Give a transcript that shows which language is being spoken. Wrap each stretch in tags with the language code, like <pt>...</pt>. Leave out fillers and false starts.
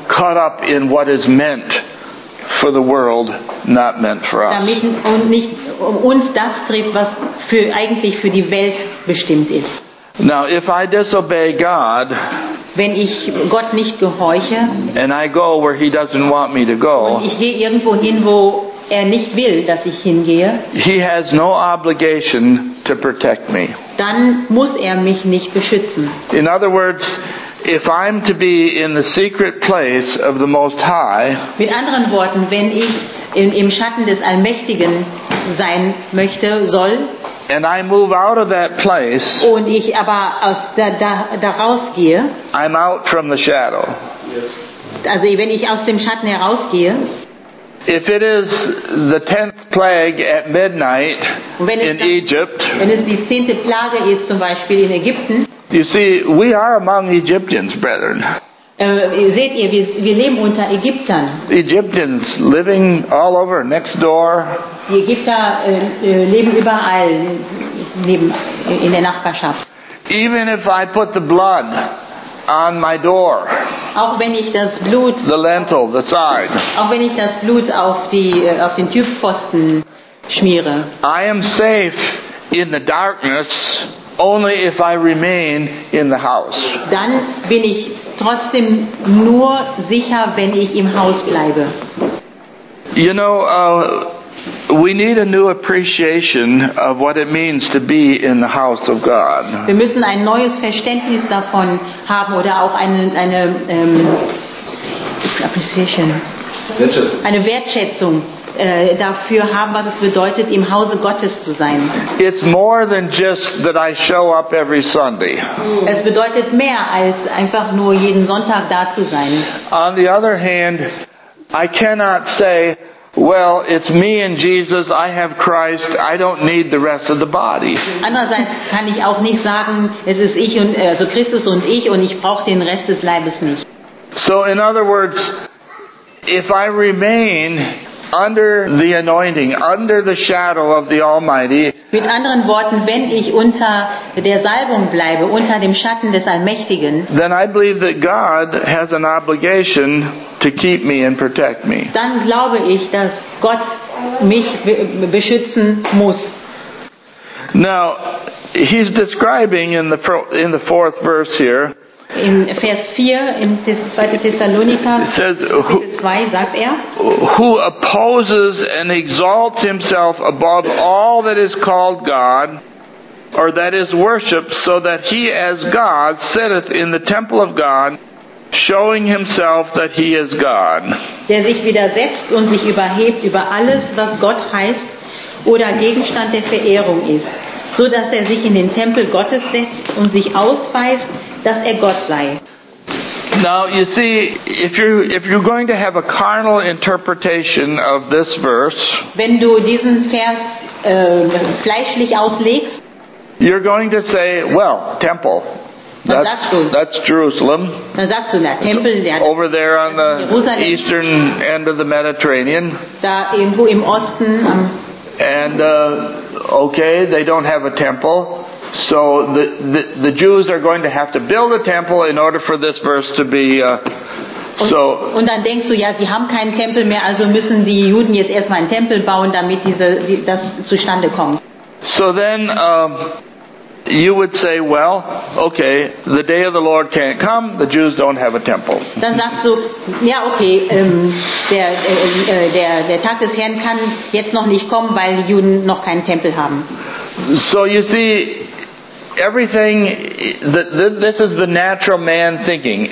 <en>Caught up in what is meant for the world, not meant for us.</en> <de>Damit und nicht uns das trifft, was für eigentlich für die Welt bestimmt ist.</de> <en>Now, if I disobey God,</en> <de>wenn ich Gott nicht gehorche,</de> <en>and I go where He doesn't want me to go,</en> <de>und ich gehe irgendwo hin, wo er nicht will, dass ich hingehe,</de> <en>he has no obligation to protect me.</en> <de>Dann muss er mich nicht beschützen.</de> <en>In other words, if I'm to be in the secret place of the Most High,</en> <de>mit anderen Worten, wenn ich im Schatten des Allmächtigen sein möchte, soll,</de> <en>and I move out of that place,</en> <de>und ich aber aus da rausgehe,</de> <en>I'm out from the shadow.</en> <de>Also wenn ich aus dem Schatten herausgehe,</de> <en>if it is the 10th plague at midnight in Egypt,</en> <de>wenn es die 10. Plage ist, zum Beispiel in Ägypten,</de> <en>you see, we are among Egyptians, brethren.</en> <de>Seht ihr, wir leben unter Ägyptern.</de> <en>Egyptians living all over, next door.</en> <de>Die Ägypter leben überall in der Nachbarschaft.</de> <en>Even if I put the blood on my door,</en> <de>auch wenn ich das Blut,</de> <en>the lentil, the side,</en> <de>auch wenn ich das Blut auf den Türpfosten schmiere,</de> <en>I am safe in the darkness only if I remain in the house.</en> <de>Dann bin ich trotzdem nur sicher, wenn ich im Haus bleibe.</de> <en>You know, we need a new appreciation of what it means to be in the house of God.</en> <de>Wir müssen ein neues Verständnis davon haben oder auch eine Wertschätzung dafür haben, was es bedeutet, im Hause Gottes zu sein.</de> <en>It's more than just that I show up every Sunday.</en> <de>Es bedeutet mehr als einfach nur jeden Sonntag da zu sein.</de> <en>On the other hand, I cannot say, well, it's me and Jesus, I have Christ, I don't need the rest of the body.</en> <de>Andererseits kann ich auch nicht sagen, es ist ich und also Christus und ich und ich brauche den Rest des Leibes nicht.</de> <en>So in other words, if I remain under the anointing, under the shadow of the Almighty.</en> <de>Mit anderen Worten, wenn ich unter der Salbung bleibe, unter dem Schatten des Allmächtigen,</de> <en>then I believe that God has an obligation to keep me and protect me.</en> <de>Dann glaube ich, dass Gott mich beschützen muss.</de> <en>Now, he's describing in the fourth verse here.</en> <de>In Vers 4 in 2. Thessalonica,</de> <en>says,</en> <de>2, sagt er,</de> <en>who opposes and exalts himself above all that is called God or that is worshipped, so that he as God sitteth in the temple of God, showing himself that he is God.</en> <de>Der sich widersetzt und sich überhebt über alles, was Gott heißt oder Gegenstand der Verehrung ist, so dass er sich in den Tempel Gottes setzt und sich ausweist, dass er Gott sei.</de> <en>Now you see, if you're going to have a carnal interpretation of this verse,</en> <de>wenn du diesen Vers fleischlich auslegst,</de> <en>you're going to say, well, temple. That's Jerusalem.</en> <de>Dann sagst du, na, Tempel, der</de> <en>over there on the Jerusalem. Eastern end of the Mediterranean.</en> <de>Da irgendwo im Osten.</de> <en>And they don't have a temple. So the Jews are going to have to build a temple in order for this verse to be</en> <de>Und dann denkst du, ja, sie haben keinen Tempel mehr, also müssen die Juden jetzt erstmal einen Tempel bauen, damit das zustande kommt.</de> <en>So then you would say, well, okay, the day of the Lord can't come, the Jews don't have a temple.</en> <de>Dann sagst du, ja, okay, der Tag des Herrn kann jetzt noch nicht kommen, weil die Juden noch keinen Tempel haben.</de> <en>So you see, everything, this is the natural man thinking.</en>